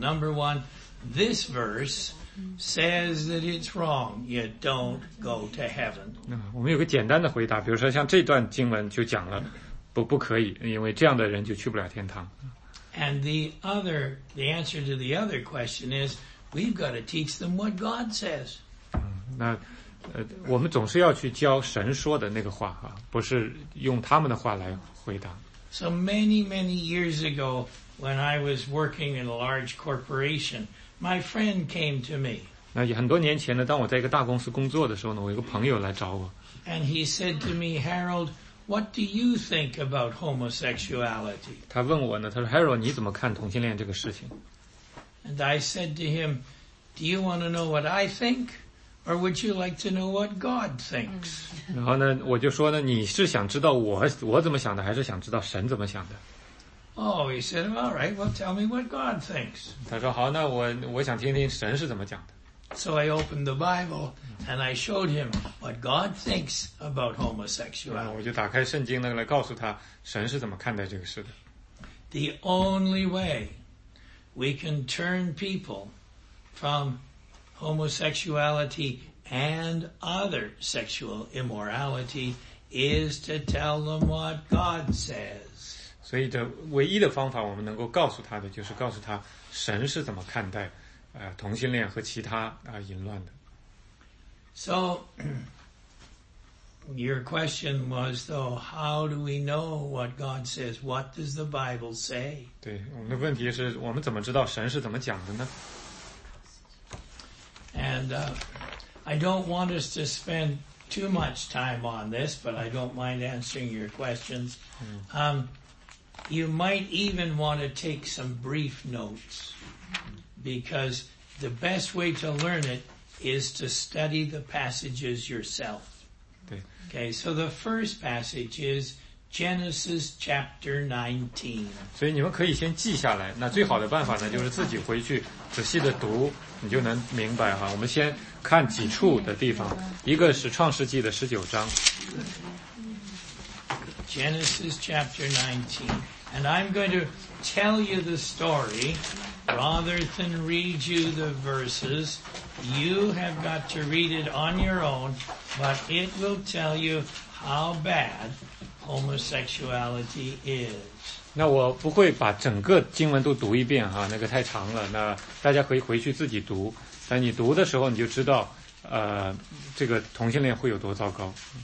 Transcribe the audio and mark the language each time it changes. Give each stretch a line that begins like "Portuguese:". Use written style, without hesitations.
English: Number one, this verse says that it's wrong. You don't go to heaven.
Chinese: 我们有个简单的回答，比如说像这段经文就讲了，不可以，因为这样的人就去不了天堂。
English: And the answer to the other question is, we've got to teach them what God says.
Chinese: 那我们总是要去教神说的那个话啊，不是用他们的话来回答。
English: So many, many years ago, when I was working in a large corporation, my friend came to me.
Chinese: 那也很多年前呢，当我在一个大公司工作的时候呢，我一个朋友来找我。
English: And he said to me, Harold,What do you think about homosexuality?
Chinese: 他问我呢，他说 ，Harold， 你怎么看同性恋这个事情
English: ？And I said to him, "Do you want to know what I think, or would you like to know what God thinks?"
Chinese: 然后呢，我就说呢，你是想知道我怎么想的，还是想知道神怎么想的
English: ？Oh, he said, "All right, well, tell me what God thinks."
Chinese: 他说好，那我想听听神是怎么讲的。
English: So I opened the Bible and I showed him what God thinks about homosexuality.
Chinese: 我就打开圣经呢，来告诉他神是怎么看待这个事的。
English: The only way we can turn people from homosexuality and other sexual immorality is to tell them what God says.
Chinese: 所以这唯一的方法我们能够告诉他的，就是告诉他神是怎么看待。同性恋和其他淫乱的。
English: So, your question was though, how do we know what God says? What does the Bible say?
Chinese: 对，我们的问题是我们怎么知道神是怎么讲的呢
English: ？And I don't want us to spend too much time on this, but I don't mind answering your questions. You might even want to take some brief notes because. The best way to learn it is to study the passages yourself. Okay, so the first passage is Genesis chapter 19.
Chinese: 所以你们可以先记下来。那最好的办法呢，就是自己回去仔细的读，你就能明白哈。我们先看几处的地方，一个是创世纪的十九章。
English: Genesis chapter 19, and I'm going to tell you the story. Rather than read you the verses, you have got to read it on your own, but it will tell you how bad homosexuality is.
Chinese: 那我不会把整个经文都读一遍哈，那个太长了，那大家可以回去自己读，那你读的时候你就知道这个同性恋会有多糟糕。